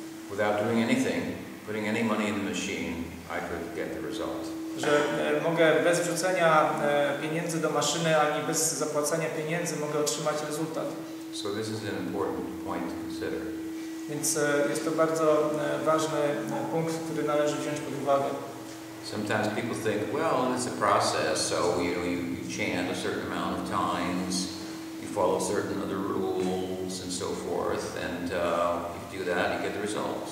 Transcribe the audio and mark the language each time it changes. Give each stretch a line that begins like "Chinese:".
English: Without doing anything, putting any money in the machine, I could get the result.
Polish: Że mogę bez wrzucenia pieniędzy do maszyny, ani bez zapłacenia pieniędzy, mogę otrzymać rezultat.
English: So this is an important point to consider.
Polish: Więc jest to bardzo ważny punkt, który należy wziąć pod uwagę.
English: Sometimes people think, well, it's a process, so you know, you chant a certain amount of times, you follow certain other rules and so forth, and if you do that, you get the result.